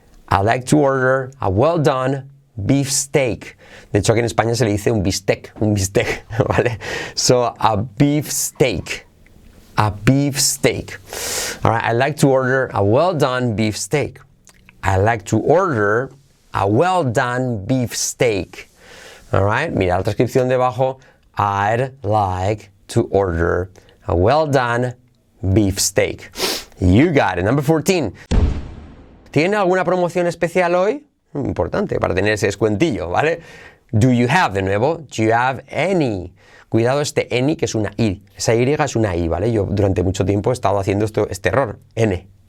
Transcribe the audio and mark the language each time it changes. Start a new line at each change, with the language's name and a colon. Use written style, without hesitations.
English: I'd like to order a well done beef steak.
Spanish: De hecho, aquí en España se le dice un bistec, ¿vale?
English: So, a beef steak. A beef steak. All right, I'd like to order a well-done beef steak. I'd like to order a well-done beef steak. All right,
Spanish: mira la transcripción debajo.
English: I'd like to order a well-done beef steak. You got it. Number 14.
Spanish: ¿Tiene alguna promoción especial hoy? Importante, para tener ese descuentillo, ¿vale?
English: Do you have, de nuevo, do you have any?
Spanish: Cuidado este any, que es una I. Esa Y es una I, ¿vale? Yo durante mucho tiempo he estado haciendo este error. Any.